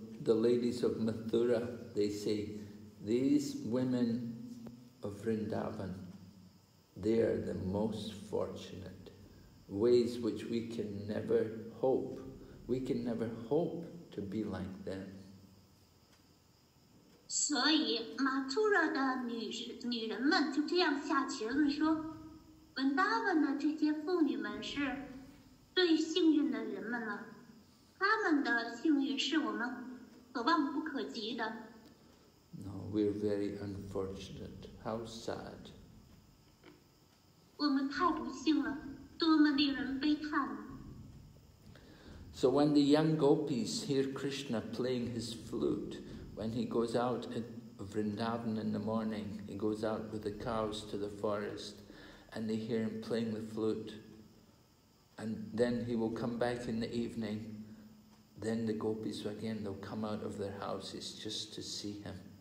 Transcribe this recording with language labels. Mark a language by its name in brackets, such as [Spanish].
[English] the ladies of Mathura, they say, these women of Vrindavan, they are the most fortunate, ways which we can never hope. We can never hope to be like them. [Chinese] 所以马图拉的女人们就这样下结论说，文达文的这些妇女们是最幸运的人们了，他们的幸运是我们所望不可及的。 [English] No, we're very unfortunate. How sad. [Chinese] 我们太不幸了，多么令人悲叹。 [English] So when the young gopis hear Krishna playing his flute, when he goes out at Vrindavan in the morning, he goes out with the cows to the forest, and they hear him playing the flute, and then he will come back in the evening, then the gopis again, they'll come out of their houses just to see him.